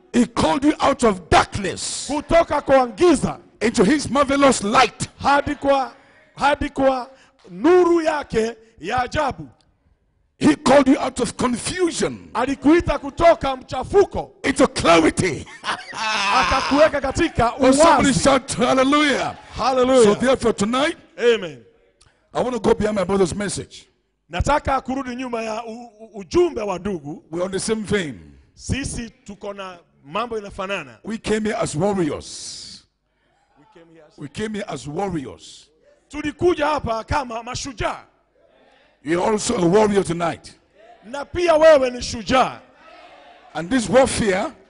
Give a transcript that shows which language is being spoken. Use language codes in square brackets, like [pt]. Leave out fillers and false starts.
[en] He called you out of darkness. [sw] Kutoka kwa giza. [en] Into his marvelous light. [sw] Hadi kwa nuru yake ya ajabu. [en] He called you out of confusion. [sw] Alikuita kutoka mchafuko. [en] Into clarity. [sw] Akakuweka katika [en] uwazi. Somebody shout hallelujah. Hallelujah. So therefore tonight. Amen. I want to go behind my brother's message. [sw] Nataka kurudi nyuma ya ujumbe wa ndugu. [en] We are on the same vein. [sw] Sisi tuko na mambo inafanana. [en] We came here as warriors. We came here as warriors. [sw] Tulikuja hapa kama mashujaa. [en] You are also a warrior tonight. [sw] Na pia wewe ni shujaa. [en] And this warfare,